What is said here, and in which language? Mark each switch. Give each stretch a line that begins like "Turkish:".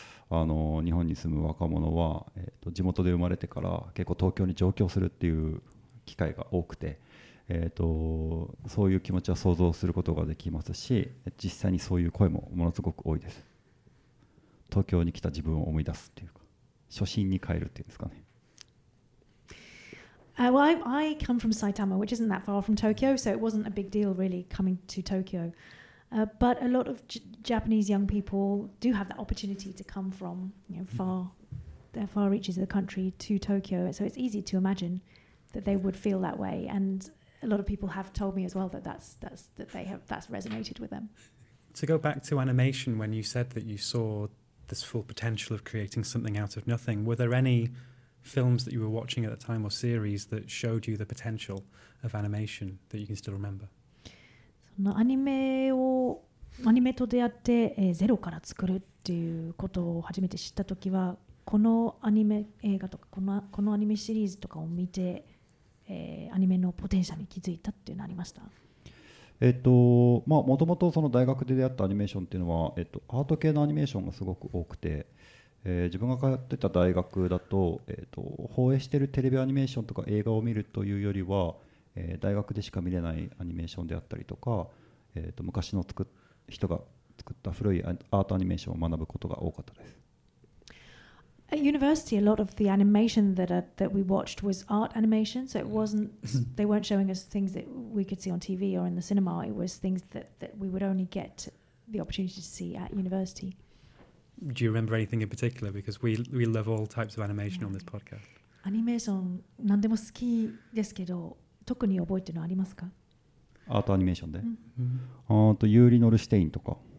Japanese: あの日本に住む若者は、地元で生まれてから結構東京に上京するっていう機会が多くて、そういう気持ちは想像することができますし、実際にそういう声もものすごく多いです。東京に来た自分を思い出すっていうか、初心に帰るっていうんですかね。
English: Well, I come from Saitama, which isn't that far from Tokyo, so it wasn't a big deal really coming to Tokyo. But a lot of Japanese young people do have the opportunity to come from, you know, far, the far reaches of the country to Tokyo. So it's easy to imagine that they would feel that way. And a lot of people have told me as well that that's resonated with them. To go back to animation, when you said that you saw this full potential of creating something out of nothing, were there any films that you were watching at the time or series that showed you the potential of animation that you can still remember?
Japanese: そのアニメと出会って、ゼロから作るっていうことを初めて知った時は、このアニメ映画とかこのアニメシリーズとかを見て、アニメのポテンシャルに気づいたっていうのありました。もともとその大学で出会ったアニメーションっていうのは、アート系のアニメーションがすごく多くて、自分が通ってた大学だと、放映してるテレビアニメーションとか映画を見るというよりは、大学でしか見れないアニメーションであったりとか、昔の人が作った古いアートアニメーションを学ぶことが多かったです。
English: At university, a lot of the animation that we watched was art animation, so it wasn't, they weren't showing us things that we could see on TV or in the cinema. It was things that we would only get the opportunity to see at university. Do you remember anything in particular? Because we love all types of animation on this podcast.
Japanese: アニメーション何でも好きですけど、特に覚えてるのありますか？アートアニメーションで、ユーリ・ノルシュテインとか。